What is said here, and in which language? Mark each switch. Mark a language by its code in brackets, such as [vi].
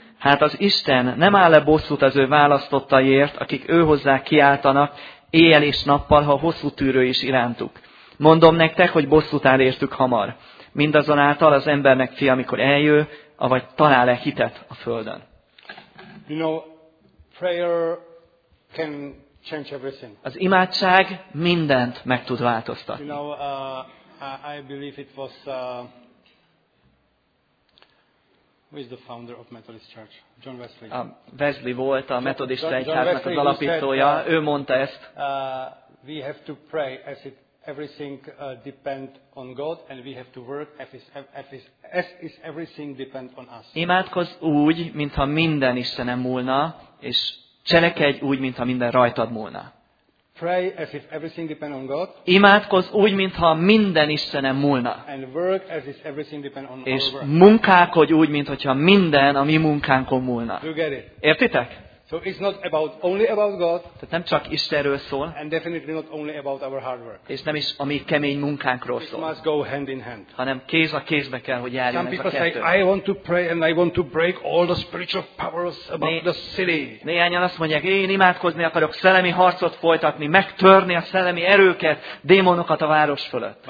[hu] Hát az Isten nem áll-e bosszút az ő választottaiért, akik őhozzá kiáltanak, éjjel és nappal, ha hosszú tűrő is irántuk. Mondom nektek, hogy bosszút áll értük hamar. Mindazonáltal az embernek fia, amikor eljő, avagy talál-e hitet a földön. [en] You know, prayer can change everything. [hu] Az imádság mindent meg tud változtatni. [en] You know, I believe it was who is the founder of Methodist Church? John Wesley. [hu] Wesley volt a metodista egyháznak az alapítója. Ő mondta ezt. [en] We have to pray as if everything depend on God and we have to work as if everything depend on us. [hu] Imádkozz úgy, mintha minden Istenen múlna, és Cselekedj úgy, mintha minden rajtad múlna. [en] Pray as if everything depend on God. [hu] Imádkozz úgy, mintha minden Istenen múlna. [en] And work as if everything depend on our work. [hu] És munkálkodj úgy, mintha minden a mi munkánkon múlna. [en] You get it. [hu] Értitek? [en] So it's not about only about God. [hu] Tehát nem csak Istenről szól. [en] And definitely not only about our hard work. [hu] És nem is a mi kemény munkánkról szól. [en] It must go hand in hand. [hu] Hanem kéz a kézbe kell, hogy járjon ez a kettő. [en] Some people say, I want to pray and I want to break all the spiritual powers about the city. [hu] Néhányan azt mondják, én imádkozni akarok, szellemi harcot folytatni, megtörni a szellemi erőket, démonokat a város fölött.